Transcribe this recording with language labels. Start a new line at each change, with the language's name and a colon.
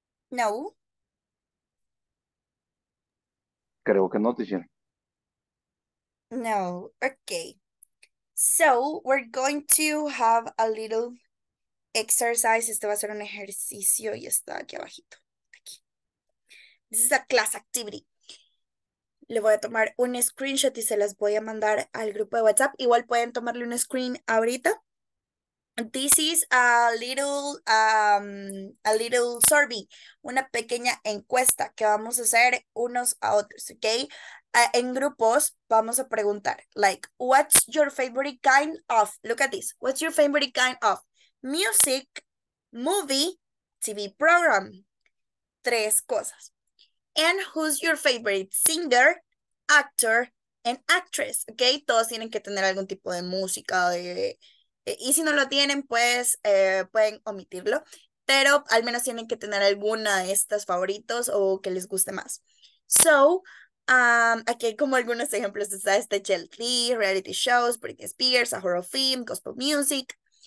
Spanish: No. Creo que no, teacher.
English: No. Okay. So, we're going to have a little exercise.
Spanish: Este va a ser un ejercicio y está aquí abajito. Aquí.
English: This is a class activity.
Spanish: Le voy a tomar un screenshot y se las voy a mandar al grupo de WhatsApp. Igual pueden tomarle un screen ahorita.
English: This is a little survey,
Spanish: una pequeña encuesta que vamos a hacer unos a otros, okay? En grupos vamos a preguntar,
English: like, what's your favorite kind of, look at this, what's your favorite kind of music, movie, TV program?
Spanish: Tres cosas.
English: And who's your favorite singer, actor, and actress, okay?
Spanish: Todos tienen que tener algún tipo de música, y si no lo tienen, pues pueden omitirlo. Pero al menos tienen que tener alguna de estas favoritos o que les guste más. So, aquí hay como algunos ejemplos. Está este GLT, reality shows, Britney Spears,
English: a horror film, gospel music.